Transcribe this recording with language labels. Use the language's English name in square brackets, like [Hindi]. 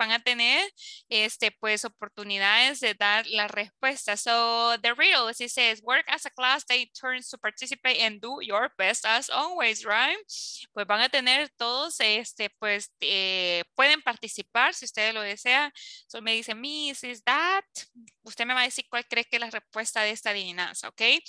[Spanish] Van a tener pues oportunidades de dar la respuesta. [English] So the riddle, it says, work as a class, take turns to participate and do your best as always, right? [Spanish] Pues van a tener todos, pueden participar si ustedes lo desean. So me dice, Miss, [English] is that? [Spanish] Usted me va a decir cuál cree que es la respuesta de esta adivinanza, ¿ok?